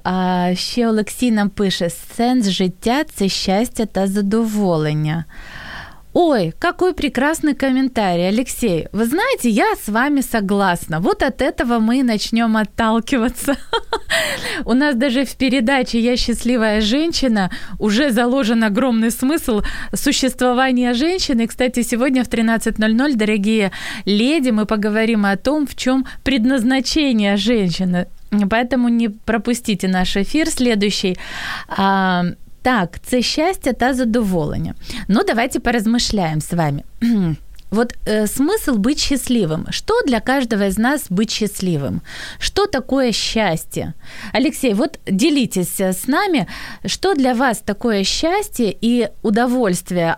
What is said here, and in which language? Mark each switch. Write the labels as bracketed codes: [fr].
[uk] А ще Олексій нам пише: «Сенс життя – це щастя та задоволення». [ru] Ой, какой прекрасный комментарий, Алексей. Вы знаете, я с вами согласна. Вот от этого мы и начнём отталкиваться. У нас даже в передаче «Я счастливая женщина» уже заложен огромный смысл существования женщины. Кстати, сегодня в 13:00, дорогие леди, мы поговорим о том, в чём предназначение женщины. Поэтому не пропустите наш эфир следующий. [uk] Так, це щастя та задоволення. [ru] Ну, давайте поразмышляем с вами. Вот смысл быть счастливым. Что для каждого из нас быть счастливым? Что такое счастье? Алексей, вот делитесь с нами, что для вас такое счастье и удовольствие?